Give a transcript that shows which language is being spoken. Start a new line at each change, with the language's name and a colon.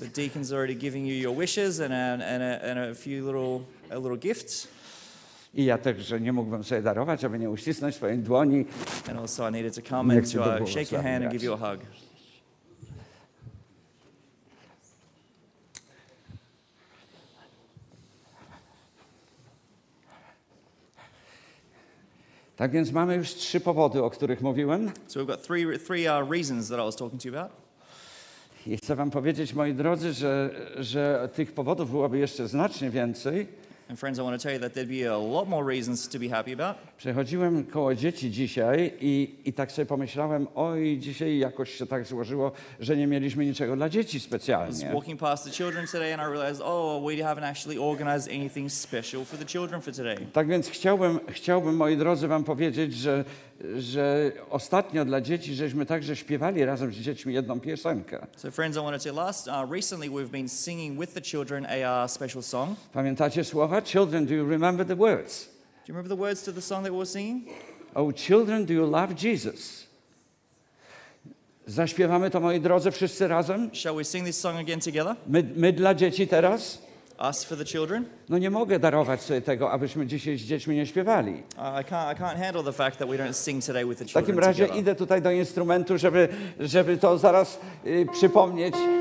English: The deacons are already giving you your wishes and a few little gifts.
Polish: I ja także nie mógłbym sobie darować, aby nie uścisnąć swojej dłoni.
English: And also I needed to come and to shake your hand and give you a hug.
Polish: Tak więc mamy już trzy powody, o których mówiłem.
English: So we've got three reasons that I was talking to you about.
Polish: I chcę wam powiedzieć, moi drodzy, że tych powodów byłoby jeszcze znacznie więcej.
English: And friends, I want to tell you that there'd be a lot more reasons to be happy about.
Polish: Przechodziłem koło dzieci dzisiaj i tak sobie pomyślałem, oj, dzisiaj jakoś się tak złożyło, że nie mieliśmy niczego dla dzieci specjalnie.
English: I was walking past the children today and I realized, oh, we haven't actually organized anything special for the children for today.
Polish: Tak więc chciałbym, moi drodzy, wam powiedzieć, że ostatnio dla dzieci żeśmy także śpiewali razem z dziećmi jedną piosenkę.
English: So friends, I wanted to last. Recently we've been singing with the children a special song.
Polish: Pamiętacie słowa?
English: Children, do you remember the words? Do you remember the words to the song that we were singing? Oh, children, do you love Jesus?
Polish: Zaśpiewamy to, moi drodzy, wszyscy razem?
English: Shall we sing this song again together?
Polish: My dla dzieci teraz?
English: Us for the children?
Polish: No nie mogę darować sobie tego, abyśmy dzisiaj z dziećmi nie śpiewali.
English: I can't handle the fact that we don't sing today with the children.
Polish: W takim razie
English: together.
Polish: Idę tutaj do instrumentu, żeby to zaraz przypomnieć.